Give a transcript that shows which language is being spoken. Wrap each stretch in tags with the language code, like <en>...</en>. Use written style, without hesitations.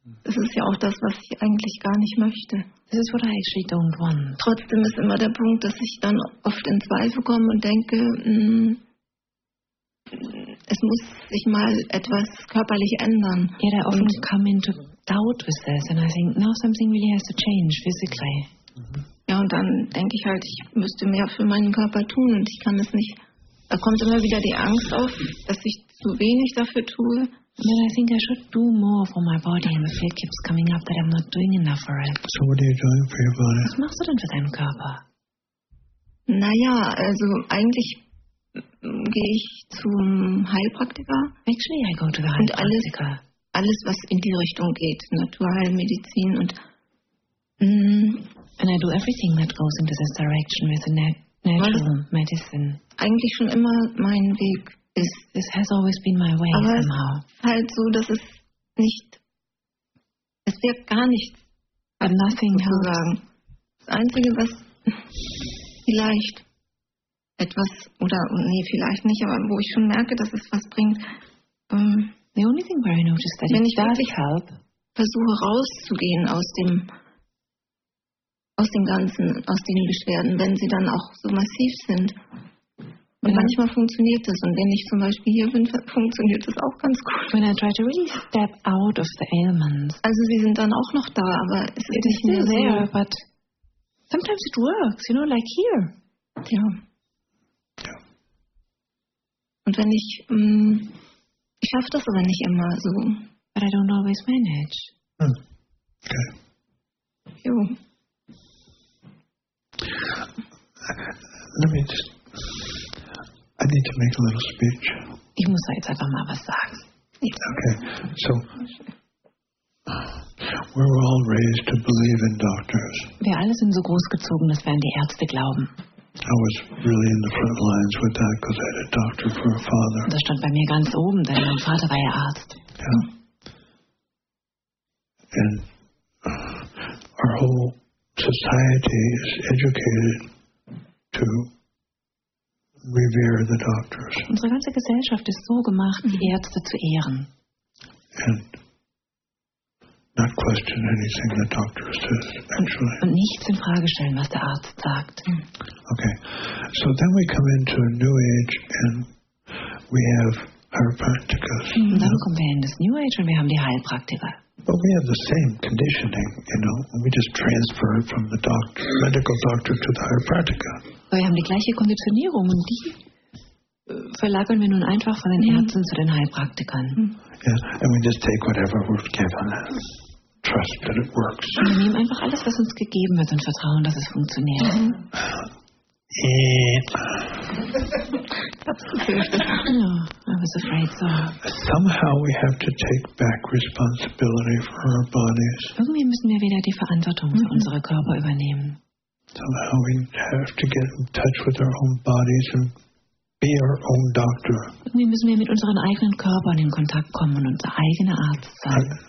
<de>Das ist ja auch das, was ich eigentlich gar nicht möchte.</de> <en>This is what I actually don't want.</en> <de>Trotzdem ist immer der Punkt, dass ich dann oft in Zweifel komme und denke, es muss sich mal etwas körperlich ändern.</de> <en>Yet I often come into doubt with this and I think, now something really has to change physically.</en> <de>Ja, und dann denke ich halt, ich müsste mehr für meinen Körper tun und ich kann es nicht. Da kommt immer wieder die Angst auf, dass ich zu wenig dafür tue.</de> <en>But I think I should do more for my body, and the fear keeps coming up that I'm not doing enough for it. So what are you doing for your body?</en> <de>Was machst du denn für deinen Körper? Naja, also eigentlich gehe ich zum Heilpraktiker.</de> <en>Actually, I go to the Heilpraktiker.</en> <de>Und alles, was in die Richtung geht, Naturheilmedizin und...</de> <en>And I do everything that goes into this direction with the natural medicine.</en> <de>Eigentlich schon immer mein Weg.</de> <en>This has always been my way.</en> <de>Aber</de> <en>somehow.</en> <de>Es ist halt so, dass es nicht, es wirkt gar nichts.</de> <en>But nothing</en> <de>zu sagen. Das Einzige, was vielleicht etwas, oder nee, vielleicht nicht, aber wo ich schon merke, dass es was bringt.</de> <en>The only thing where I noticed that</en> <de>wenn ich wirklich help, versuche rauszugehen aus dem Ganzen, aus den Beschwerden, wenn sie dann auch so massiv sind. Und manchmal funktioniert das. Und wenn ich zum Beispiel hier bin, funktioniert das auch ganz gut.</de> <en>When I try to really step out of the ailments.</en> <de>Also sie sind dann auch noch da, aber es ist nicht mehr</de> <en>there, so. But sometimes it works, you know, like here.</en> <de>Ja. Ja. Und wenn ich, ich schaffe das aber nicht immer so.</de> <en>But I don't always manage. Okay.</en> <de>Jo.</de> <en>Let me just... I need to make a little speech.</en> <de>Ich muss jetzt einfach mal was sagen.</de> <en>Okay, so we were all raised to believe in doctors.</en> <de>Wir alle sind so großgezogen, dass wir an die Ärzte glauben.</de> <en>I was really in the front lines with that because I had a doctor for a father.</en> <de>Das stand bei mir ganz oben, denn mein Vater war ja Arzt.</de> <en>Yeah. And our whole society is educated to revere the doctors.</en> <de>Unsere ganze Gesellschaft ist so gemacht, die Ärzte zu ehren.</de> <en>And not question anything the doctor says, actually.</en> <de>Und nichts in Frage stellen, was der Arzt sagt.</de> <en>Okay. So then we come into a new age and we have chiropractors.</en> <de>Und dann kommen wir in das New Age und wir haben die Heilpraktiker.</de> <en>But we have the same conditioning, you know. We just transfer it from the doctor, medical doctor to the chiropractor.</en> <de>Wir haben die gleiche Konditionierung und die verlagern wir nun einfach von den Ärzten zu den Heilpraktikern.</de> <en>Yeah, and we just take whatever we've given. Trust that it works.</en> <de>Und wir nehmen einfach alles, was uns gegeben wird und vertrauen, dass es funktioniert.</de> <en>I was afraid so. Somehow we have to take back responsibility for our bodies.</en> <de>Irgendwie müssen wir wieder die Verantwortung für unsere Körper übernehmen.</de> <en>Somehow we have to get in touch with our own bodies and be our own doctor.</en> <de>Irgendwie müssen wir mit unseren eigenen Körpern in Kontakt kommen und unser eigener Arzt sein.</de>